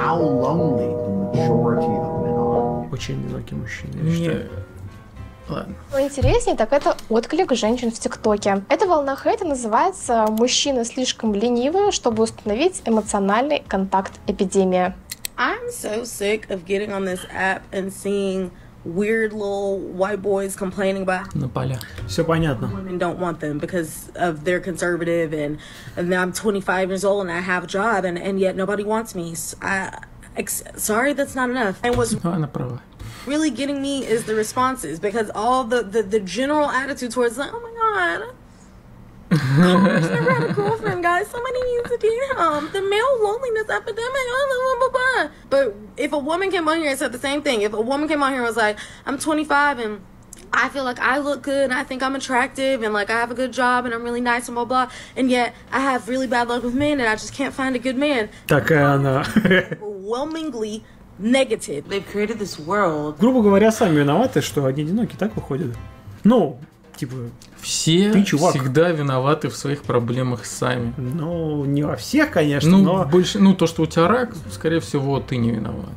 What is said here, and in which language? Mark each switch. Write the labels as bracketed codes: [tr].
[ru] Очень одинокий мужчина, я считаю. Ладно. Интереснее, так это отклик женщин в ТикТоке. Эта волна хейта называется «Мужчины слишком ленивые, чтобы установить эмоциональный контакт эпидемия». [en] I'm so sick of getting on this app and seeing weird little white boys complaining about. [ru] На полях. Все понятно. [en] Women don't want them because of their conservative and I'm 25 years old and I have a job and yet nobody wants me. Sorry, that's not enough. [ru] Она права. [en] Really getting me is the responses, because all the general attitude towards, like, oh my god, I've never had a girlfriend, guys, somebody needs a DM, the male loneliness epidemic, blah, blah, blah, blah. But if a woman came on here and said the same thing, if a woman came on here and was like, I'm 25 and I feel like I look good and I think I'm attractive and like I have a good job and I'm really nice and blah blah, and yet I have really bad luck with men and I just can't find a good man. [ru] Такая она. [en] Overwhelmingly negative. They've created this world. [ru] Грубо говоря, сами виноваты, что одни одиноки, так выходит. Ну, типа, все ты, чувак, всегда виноваты в своих проблемах сами. Ну, не во всех, конечно, ну, но... больше, ну, то, что у тебя рак, скорее всего, ты не виноват.